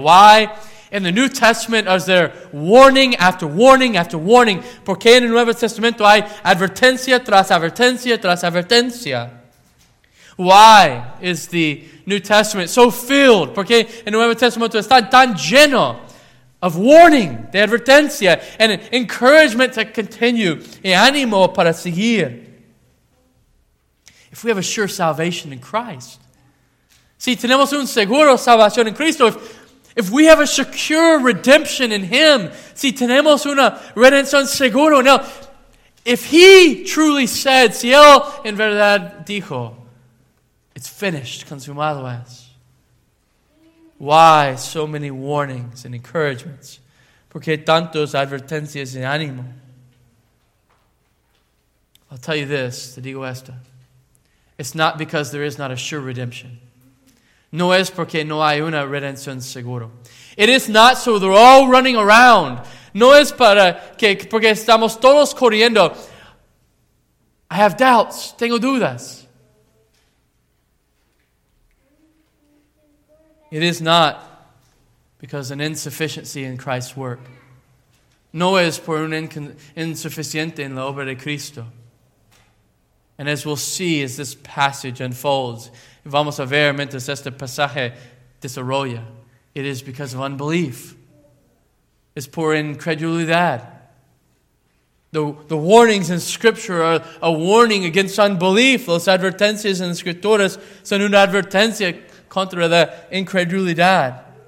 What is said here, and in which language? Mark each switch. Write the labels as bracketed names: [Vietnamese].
[English] Why in the New Testament is there warning after warning after warning? [Spanish] ¿Por qué en el Nuevo Testamento hay advertencia tras advertencia tras advertencia? [English] Why is the New Testament so filled? [Spanish] Porque el Nuevo Testamento está tan lleno [English] of warning, [Spanish] de advertencia, [English] and encouragement to continue, [Spanish] y ánimo para seguir. [English] If we have a sure salvation in Christ, [Spanish] si tenemos un seguro salvación en Cristo, [English] if we have a secure redemption in Him, [Spanish] si tenemos una redención seguro. [English] Now, if He truly said, [Spanish] si Él en verdad dijo, [English] it's finished, [Spanish] consumado es. [English] Why so many warnings and encouragements? [Spanish] ¿Por qué tantos advertencias y ánimo? [English] I'll tell you this, [Spanish] te digo esto. [English] It's not because there is not a sure redemption. [Spanish] No es porque no hay una redención seguro. [English] It is not so they're all running around. [Spanish] No es para que porque estamos todos corriendo. [English] I have doubts. [Spanish] Tengo dudas. [English] It is not because an insufficiency in Christ's work. [Spanish] No es por un insuficiente en la obra de Cristo. [English] And as we'll see as this passage unfolds, [Spanish] vamos a ver mientras este pasaje desarrolla, [English] it is because of unbelief. It's [Spanish] por incredulidad. [English] The warnings in Scripture are a warning against unbelief. [Spanish] Los advertencias en Escrituras son una advertencia contra la incredulidad.